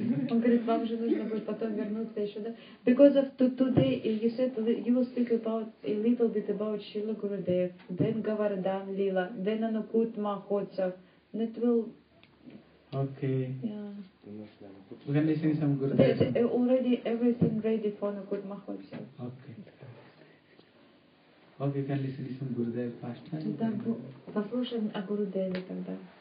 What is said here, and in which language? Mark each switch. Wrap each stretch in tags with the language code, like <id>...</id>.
<ru>Он говорит, вам же нужно будет потом вернуться еще, да?</ru> <en>Because of today you said you will speak about a little bit about Srila Gurudev, then Govardhan Lila, then Anukut Mahotsav. That will Okay. Yeah. We can listen some good Mahalakshmi. There's already everything ready for the good Mahalakshmi. Okay. Okay, can listen some Gurudev first time.</en> <ru>Послушаем о Гурудеве тогда.</ru>